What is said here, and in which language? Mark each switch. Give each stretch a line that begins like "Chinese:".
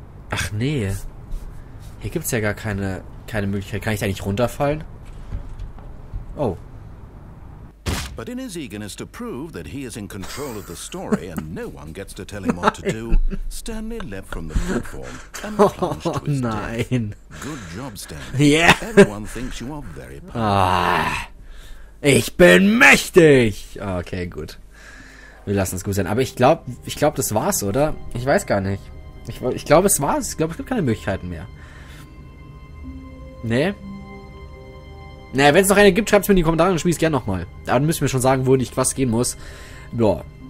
German: Ach nee. Hier gibt's ja gar keine Möglichkeit. Kann ich da nicht runterfallen? Oh.
English: But in his eagerness to prove that he is in control of the story and no one gets to tell him what to do, Stanley leapt from the platform and plunged to his death.
German: Oh, nein.
English: Good job, Stanley. Yeah. Everyone thinks you are very powerful.
German: Ich bin mächtig. Okay, gut. Wir lassen es gut sein. Aber ich glaube, das war's, oder? Ich weiß gar nicht. Ich glaube, es war's. Ich glaube, es gibt keine Möglichkeiten mehr. Nee? Naja, wenn es noch eine gibt, schreibt es mir in die Kommentare und spiel es gerne nochmal. Dann müssen wir schon sagen, wo ich was gehen muss. Ja.